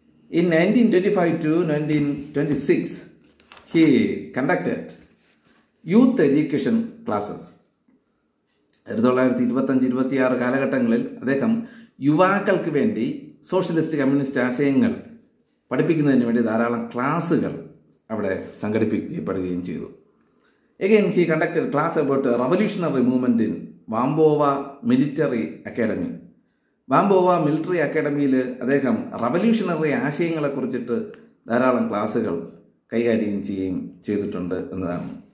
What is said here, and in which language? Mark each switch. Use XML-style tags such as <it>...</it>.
<en>In 1925 to 1926 he conducted youth education classes.</en> <ml>1925-26 കാലഘട്ടങ്ങളിൽ അദ്ദേഹം യുവാക്കൾക്ക് വേണ്ടി സോഷ്യലിസ്റ്റ് കമ്മ്യൂണിസ്റ്റ് ആശയങ്ങൾ പഠിപ്പിക്കുന്നതിന് വേണ്ടി ധാരാളം ക്ലാസ്സുകൾ അവിടെ സംഘടിപ്പിക്കപ്പെടുകയും ചെയ്തു.</ml> <en>Again, he conducted class about a revolutionary movement in Vambova Military Academy.</en> <ml>Vambova Military Academy-യിൽ അദ്ദേഹം റവല്യൂഷണറി ആശയങ്ങളെക്കുറിച്ചിട്ട് ധാരാളം ക്ലാസ്സുകൾ കൈകാര്യം ചെയ്യുകയും ചെയ്തിട്ടുണ്ട് എന്നതാണ്.</ml>